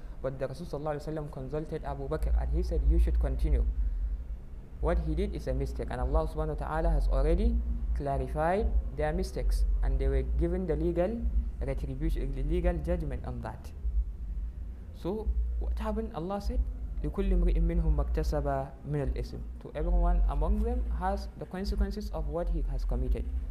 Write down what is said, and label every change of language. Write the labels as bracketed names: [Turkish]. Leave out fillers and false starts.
[English] But the Rasul sallallahu alayhi wa sallam consulted Abu Bakr and he said you should continue. What he did is a mistake, and Allah subhanahu wa ta'ala has already clarified their mistakes and they were given the legal retribution, the legal judgment on that. So what happened? Allah said, [Arabic] لكل امرئ منهم مكتسب من الاسم. [English] To everyone among them has the consequences of what he has committed.